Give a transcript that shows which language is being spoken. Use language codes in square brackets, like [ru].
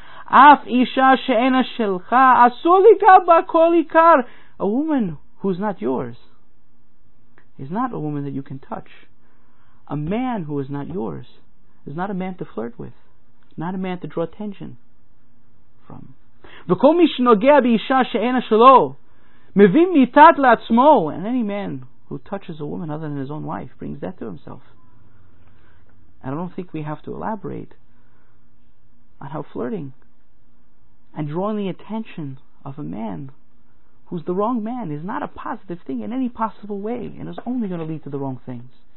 [he] Af isha she'ena shelcha asur ligaba kol ikar. [en] A woman who's not yours is not a woman that you can touch. A man who is not yours is not a man to flirt with, not a man to draw attention from. [he] וכל מי שנוגע באישה שאינה שלו, מבין מיתת לעצמו. [en] And any man who touches a woman other than his own wife brings death to himself. And I don't think we have to elaborate on how flirting and drawing the attention of a man who's the wrong man is not a positive thing in any possible way, and is only going to lead to the wrong things.